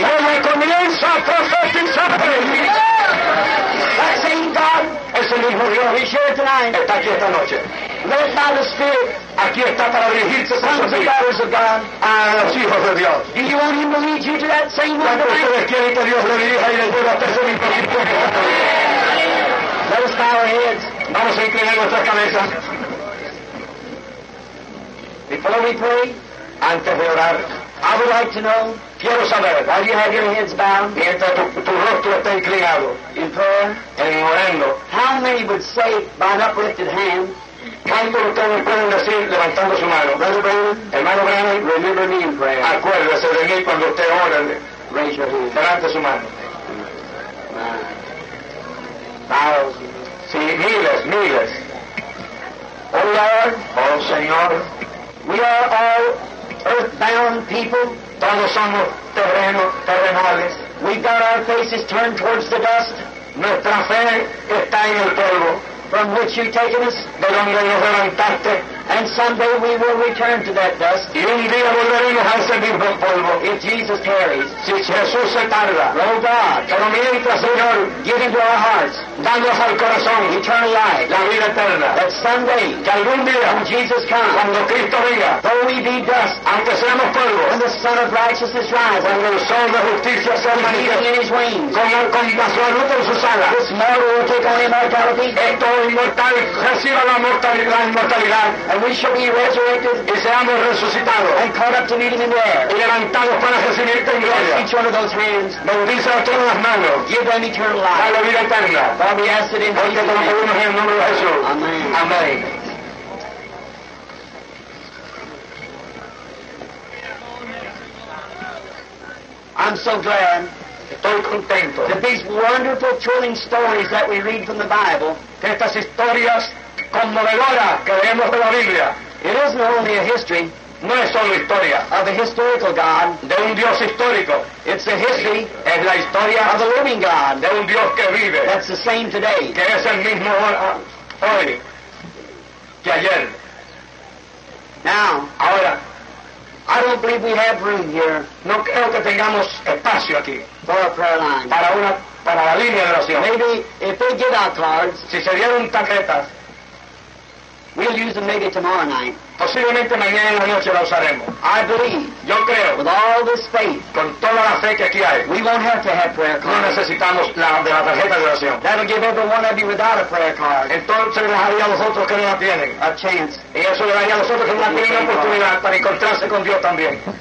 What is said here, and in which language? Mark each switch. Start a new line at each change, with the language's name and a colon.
Spanish: Y ella comienza a profetizar.
English: That same God.
Spanish: Ese mismo Dios.
English: He's here tonight.
Spanish: Está aquí esta noche.
English: Led by the Spirit.
Spanish: Aquí está para dirigirse a los hijos
English: of God.
Spanish: A los hijos de Dios.
English: Do you want him to lead you to that same one?
Spanish: Cuando ustedes quieren que Dios le dirija y le lleve hasta ese mismo tiempo.
English: Let us bow our heads.
Spanish: Vamos a inclinar nuestras cabezas.
English: Before we pray.
Spanish: Antes de orar.
English: I would like to know.
Spanish: Quiero saber.
English: While you have your heads bound.
Spanish: Mientras tu rostro está inclinado.
English: In prayer.
Spanish: En orando.
English: How many would say by an uplifted hand.
Spanish: ¿Cuántos de ustedes pueden decir levantando su mano?
English: Brother Brandon,
Spanish: hermano Brandon,
English: remember me in prayer.
Spanish: Acuérdese de mí cuando usted ora.
English: Raise your hand.
Spanish: Levante su mano.
English: Thousands.
Spanish: Sí, miles, miles.
English: Oh Lord.
Spanish: Oh Señor.
English: We are all earthbound people.
Spanish: Todos somos terrenales.
English: We've got our faces turned towards the dust.
Spanish: Nuestra fe está en el polvo.
English: From which you've taken us.
Spanish: De donde nos levantaste.
English: And someday we will return to that dust.
Spanish: Y un día volveremos a ese mismo polvo.
English: If Jesus tarries.
Spanish: Si Jesús se tarda.
English: Oh God.
Spanish: Pero mientras, Señor,
English: give into our hearts.
Spanish: Dándonos al corazón.
English: Eternal life.
Spanish: La vida eterna.
English: That someday.
Spanish: Que algún día.
English: When Jesus comes.
Spanish: Cuando Cristo venga.
English: Though we be dust.
Spanish: Aunque seamos polvo.
English: When the Son of Righteousness rises.
Spanish: Cuando el Sol de Justicia se manifiesta.
English: In his wings.
Spanish: Con la salud en sus alas.
English: This mortal will take on immortality.
Spanish: Esto inmortal reciba la inmortalidad.
English: And we shall be resurrected.
Spanish: Y seamos resucitados.
English: And caught up to meet him in the air.
Spanish: Y levantados para recibirte en gloria.
English: Each one of those hands.
Spanish: Bendice a todas las manos.
English: Give them eternal life.
Spanish: Dale vida eterna.
English: For we ask it in Jesus' name.
Spanish: Porque te lo pedimos en el nombre de Jesús.
English: Amén.
Spanish: Amén.
English: I'm so glad.
Spanish: Estoy contento.
English: That these wonderful, thrilling stories that we read from the Bible.
Spanish: Que estas historias conmovedora que leemos de la Biblia.
English: It isn't only a history.
Spanish: No es solo historia.
English: Of a historical God.
Spanish: De un Dios histórico.
English: It's the history.
Spanish: Es la historia.
English: Of the living God.
Spanish: De un Dios que vive.
English: That's the same today.
Spanish: Que es el mismo hoy. Que ayer.
English: Now.
Spanish: Ahora.
English: I don't believe we have room here.
Spanish: No creo que tengamos espacio aquí.
English: For a prayer line.
Spanish: Para la línea de oración.
English: Maybe if they get our cards.
Spanish: Si se dieron tarjetas.
English: We'll use them maybe tomorrow night.
Spanish: Posiblemente mañana en la noche la usaremos.
English: I believe.
Spanish: Yo creo.
English: With all this faith.
Spanish: Con toda la fe que aquí hay.
English: We won't have to have prayer cards.
Spanish: No necesitamos la tarjeta de oración.
English: That'll give every one of you without a prayer card.
Spanish: Entonces les daría a los otros que no la tienen.
English: A chance.
Spanish: Y eso le daría a los otros que no la tienen una oportunidad para encontrarse con Dios también.